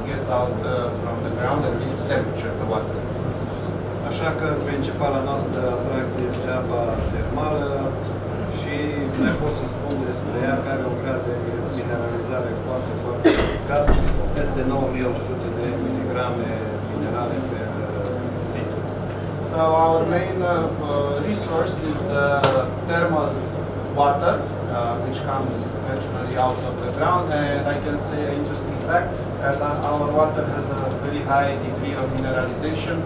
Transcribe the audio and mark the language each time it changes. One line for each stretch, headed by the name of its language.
English: Gets out from the ground at this temperature, the water.
Romanian: Așa că principala noastră atracție este apa termală și mai pot să spun despre ea că are un grad de mineralizare foarte, foarte ridicat, peste 9800 de miligrame minerale pe litru.
English: So our main resource is the thermal water, which comes naturally out of the ground, and I can say an interesting fact that our water has a very high degree of mineralization.